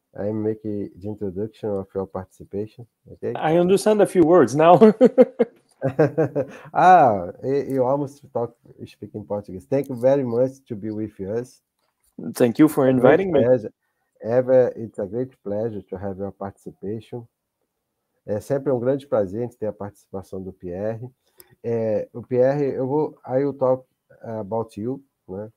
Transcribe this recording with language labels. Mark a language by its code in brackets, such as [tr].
[en] I'm making the introduction of your participation, okay? I understand a few words now. Ah, you almost speak in Portuguese. Thank you very much to be with us. Thank you for inviting me. It's a great pleasure to have your participation. [pt] É sempre um grande prazer ter a participação do Pierre. [en] O Pierre, I will talk about you, né?